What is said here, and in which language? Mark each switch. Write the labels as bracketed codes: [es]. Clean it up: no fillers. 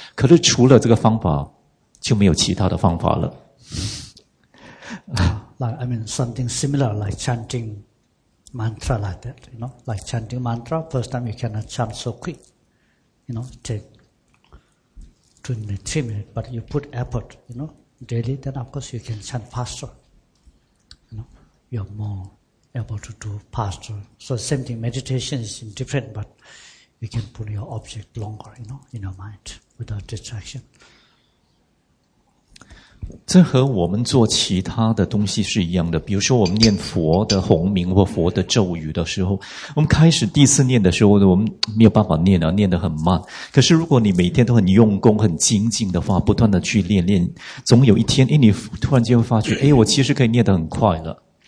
[zh] 可是除了这个方法，就没有其他的方法了。 [en] Like I mean something similar, like chanting mantra like that, you know, like chanting mantra. First time you cannot chant so quick, you know, take. 2 minutes, 3 minutes, but you put effort, you know, daily, then of course you can chant faster. You know, you're more able to do faster. So same thing, meditation is different, but you can put your object longer, you know, in your mind without distraction. [zh] 这和我们做其他的东西是一样的，比如说我们念佛的洪名或佛的咒语的时候，我们开始第一次念的时候，我们没有办法念啊，念得很慢。可是如果你每天都很用功、很精进的话，不断的去练练，总有一天，你突然间会发觉，我其实可以念得很快了。